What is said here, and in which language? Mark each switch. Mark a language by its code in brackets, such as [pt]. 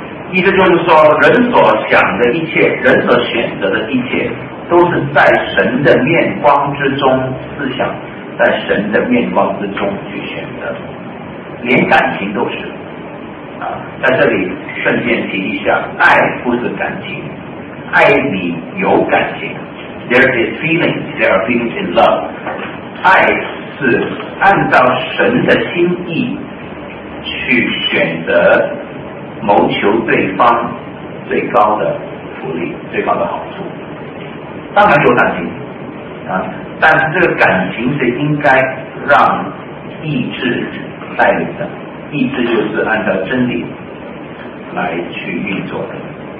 [zh] 意思就是说，人所想的一切，人所选择的一切，都是在神的面光之中思想，在神的面光之中去选择，连感情都是。啊，在这里顺便提一下，爱不是感情，爱里有感情， [en] there is feeling, there are feelings in love. [zh] 爱是按照神的心意去选择谋求对方最高的福利，最高的好处。当然有感情啊，但是这个感情是应该让意志带领的，意志就是按照真理来去运作的。